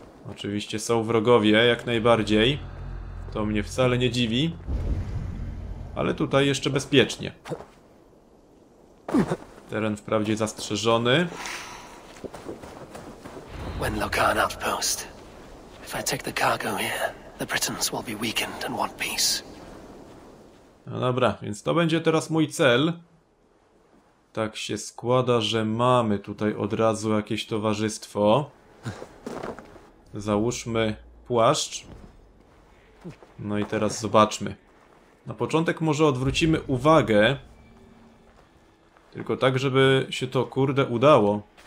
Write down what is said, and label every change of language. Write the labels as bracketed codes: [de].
[pl] Oczywiście są wrogowie, jak najbardziej. To mnie wcale nie dziwi. Ale tutaj jeszcze bezpiecznie. Teren wprawdzie zastrzeżony. [en] When Locarn outpost. If I take the cargo here, the Britons will be weakened and want peace. [pl] No dobra, więc to będzie teraz mój cel. Tak się składa, że mamy tutaj od razu jakieś towarzystwo. Załóżmy płaszcz. No i teraz zobaczmy. Na początek może odwrócimy uwagę. Tylko tak, żeby się to kurde udało.